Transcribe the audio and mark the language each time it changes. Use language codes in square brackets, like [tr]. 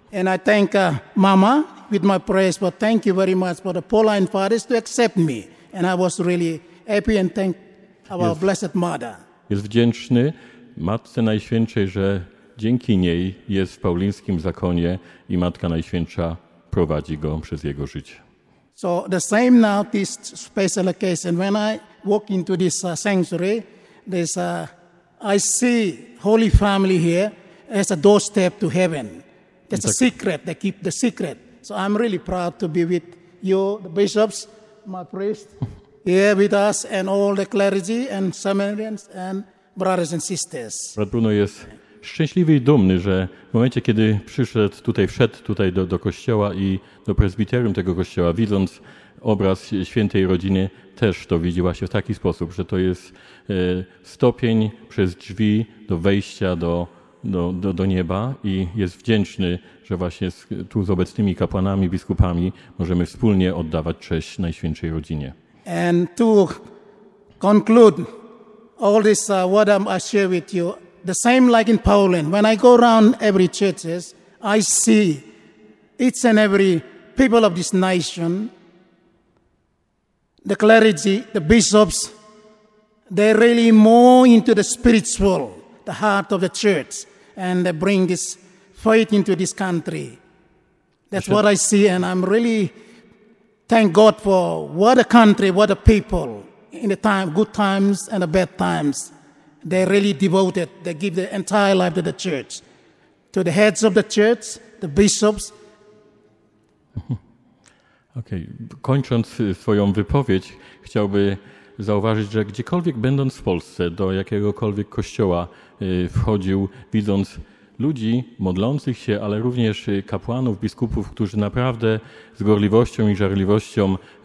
[en] And I thank Mama with my prayers, but thank you very much for the Pauline Fathers to accept me. And I was really happy and thank our Blessed Mother. [pl] Jest wdzięczny Matce Najświętszej, że dzięki niej jest w paulińskim zakonie i Matka Najświętsza prowadzi go przez jego życie. [en] So the same now this special occasion when I walk into this sanctuary, there's I see Holy Family here as a doorstep to heaven. That's a secret. They keep the secret. So I'm really proud to be with you, the bishops, my priest, here with us and all the clergy and seminarians and brothers and sisters. [pl] Brat Bruno jest szczęśliwy i dumny, że w momencie, kiedy przyszedł tutaj, wszedł tutaj do kościoła i do prezbiterium tego kościoła, widząc obraz świętej rodziny, też to widzi właśnie w taki sposób, że to jest stopień przez drzwi do wejścia do nieba i jest wdzięczny, że właśnie tu z obecnymi kapłanami, biskupami możemy wspólnie oddawać cześć Najświętszej Rodzinie. [en] And to conclude all this what I'm sharing with you, the same like in Poland, when I go around every churches, I see each and every people of this nation, the clergy, the bishops, they're really more into the spiritual, the heart of the church, and they bring this faith into this country. That's what I see, and I'm really thank God for what a country, what a people, in the time, good times and the bad times. They're really devoted. They give their entire life to the church. To the heads of the church, the bishops. Okay. [pl] Kończąc swoją wypowiedź, chciałby zauważyć, że gdziekolwiek będąc w Polsce, do jakiegokolwiek kościoła wchodził, widząc ludzi modlących się, ale również kapłanów, biskupów, którzy naprawdę z gorliwością i żarliwością